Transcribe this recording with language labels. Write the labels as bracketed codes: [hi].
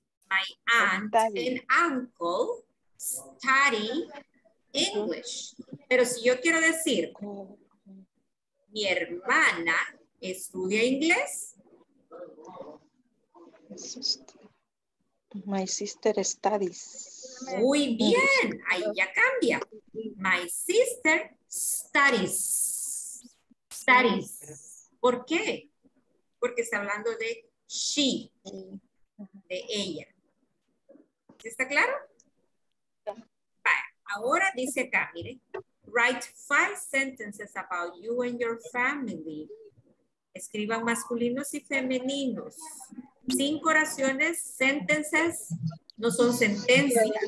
[en] My aunt and uncle study English. [es] Pero si yo quiero decir, mi hermana estudia inglés. [en] My sister studies. [es] Muy bien, ahí ya cambia. [en] My sister studies. [es] Studies. ¿Por qué? Porque está hablando de she, de ella. ¿Está claro? Vale. Ahora dice acá, mire. [en] Write 5 sentences about you and your family. [es] Escriban masculinos y femeninos. 5 oraciones, sentences, no son sentencias.